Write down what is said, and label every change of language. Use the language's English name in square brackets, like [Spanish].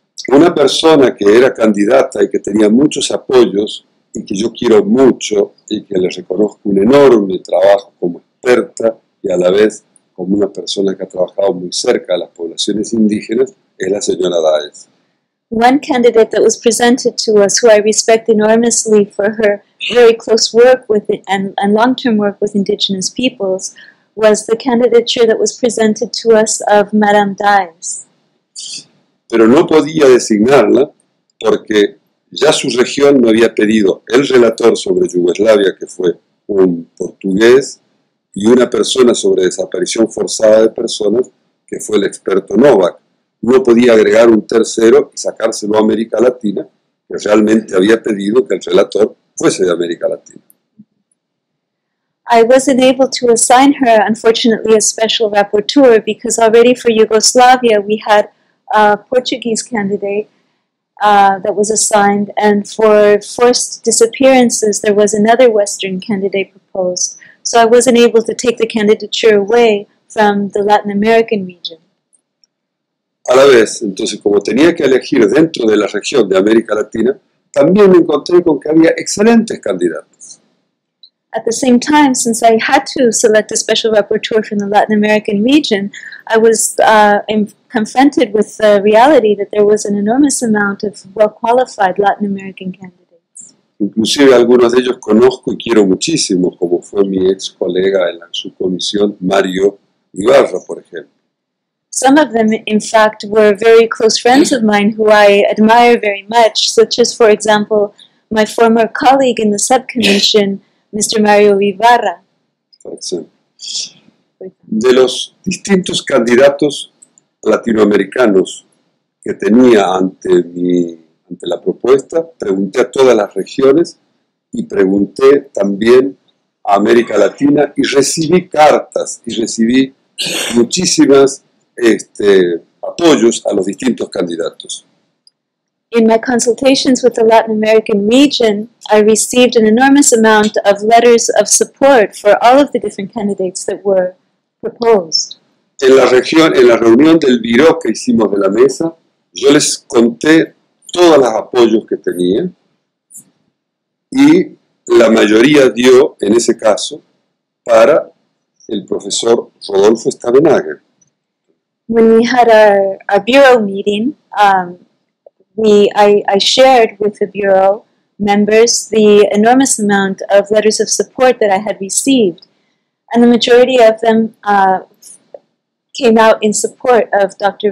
[Spanish] Una persona que era candidata y que tenía muchos apoyos, y que yo quiero mucho, y que le reconozco un enorme trabajo como experta, y a la vez como una persona que ha trabajado muy cerca de las poblaciones indígenas, es la señora Daez. [English] One candidate that was presented to us, who I respect enormously for her very close work with and long-term work with indigenous peoples, was the candidature that was presented to us of Madame Daez. [Spanish] Pero no podía designarla porque ya su región no había pedido el relator sobre Yugoslavia, que fue un portugués, y una persona sobre desaparición forzada de personas, que fue el experto Novak. No podía agregar un tercero y sacárselo a América Latina, que realmente había pedido que el relator fuese de América Latina. [English] I wasn't able to assign her, unfortunately, a special rapporteur, because already for Yugoslavia we had a Portuguese candidate that was assigned, and for forced disappearances there was another Western candidate proposed. So I wasn't able to take the candidature away from the Latin American region. [Spanish] A la vez, entonces, como tenía que elegir dentro de la región de América Latina, también me encontré con que había excelentes candidatos. [English] At the same time, since I had to select a special rapporteur from the Latin American region, I was confronted with the reality that there was an enormous amount of well-qualified Latin American candidates. [Spanish] Inclusive algunos de ellos conozco y quiero muchísimo, como fue mi ex colega en la subcomisión, Mario Ibarra, por ejemplo. [English] Some of them, in fact, were very close friends of mine who I admire very much, such as, for example, my former colleague in the subcommission, Mr. Mario Ibarra. [Spanish] De los distintos candidatos latinoamericanos que tenía ante la propuesta, pregunté a todas las regiones y pregunté también a América Latina y recibí cartas y recibí muchísimas apoyos a los distintos candidatos. [English] In my consultations with the Latin American region, I received an enormous amount of letters of support for all of the different candidates that were proposed. [Spanish] En la reunión del Viro que hicimos de la mesa, yo les conté todos los apoyos que tenía y la mayoría dio, en ese caso, para el profesor Rodolfo Stabenager. [English] When we had our bureau meeting, I shared with the Bureau members the enormous amount of letters of support that I had received. And the majority of them came out in support of Dr.